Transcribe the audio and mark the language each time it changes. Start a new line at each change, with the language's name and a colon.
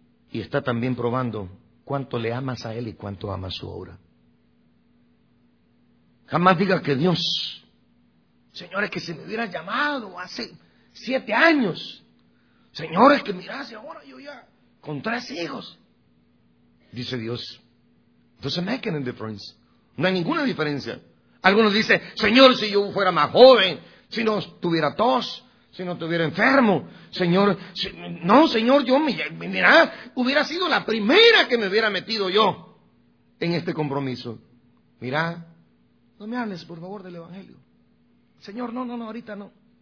Spanish: Y está también probando cuánto le amas a Él y cuánto amas su obra. Jamás diga que Dios... Señores, que se me hubiera llamado hace 7 años. Señores, que mirase ahora yo ya con 3 hijos. Dice Dios,
English: doesn't make any difference.
Spanish: No hay ninguna diferencia. Algunos dicen, Señor, si yo fuera más joven, si no tuviera tos, si no estuviera enfermo. Señor, si, no, Señor, yo, mira, hubiera sido la primera que me hubiera metido yo en este compromiso. Mira, no me hables, por favor, del Evangelio. Señor, no, no, no, ahorita no.